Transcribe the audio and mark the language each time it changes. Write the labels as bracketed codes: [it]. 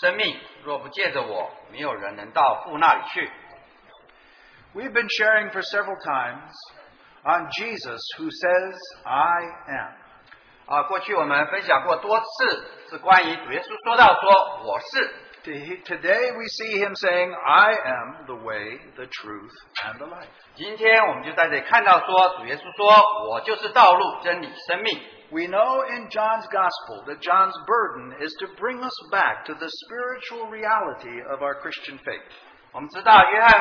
[zh] 耶稣说,我就是道路,真理,生命,若不借着我,没有人能到父那里去。 [en] We've been sharing for several times on Jesus who says, I am. [zh] 过去我们分享过多次,是关于主耶稣说到说,我是。 [en] Today we see him saying, I am the way, the truth, and the life. [zh] 今天我们就在这里看到说,主耶稣说,我就是道路,真理,生命。 [en] We know in John's Gospel that John's burden is to bring us back to the spiritual reality of our Christian faith.